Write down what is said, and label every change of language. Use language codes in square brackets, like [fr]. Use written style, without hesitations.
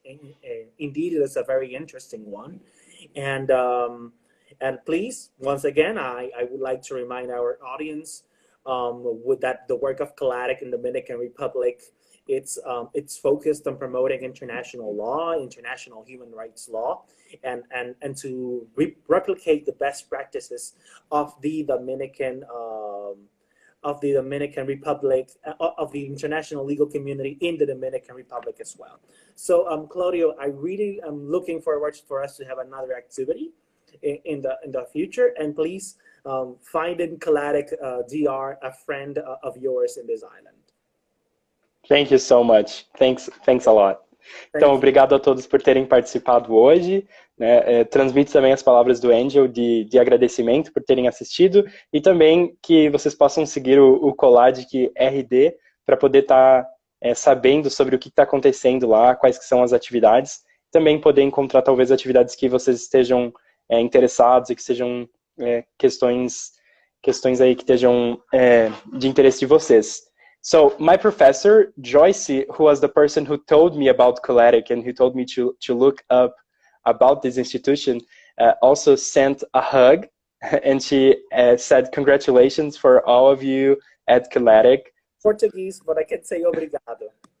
[en] Indeed, it is a very interesting one. And please, once again, I would like to remind our audience that the work of CLADIC in the Dominican Republic, it's focused on promoting international law, international human rights law, and to replicate the best practices of the Dominican Republic, of the international legal community in the Dominican Republic as well. So, Claudio, I really am looking forward for us to have another activity in the future. And please find in CLADIC DR a friend of yours in this island. Thank you so much. Thanks a lot. [pt] Então, obrigado a todos por terem participado hoje. Né? Transmito também as palavras do Angel de agradecimento por terem assistido e também que vocês possam seguir o Coladic RD para poder estar sabendo sobre o que está acontecendo lá, quais que são as atividades. Também poder encontrar talvez atividades que vocês estejam interessados e que sejam questões aí que estejam de interesse de vocês. [en] So, my professor, Joyce, who was the person who told me about CLADIC and who told me to look up about this institution, also sent a hug, and she said congratulations for all of you at CLADIC. Portuguese, but I can say obrigado.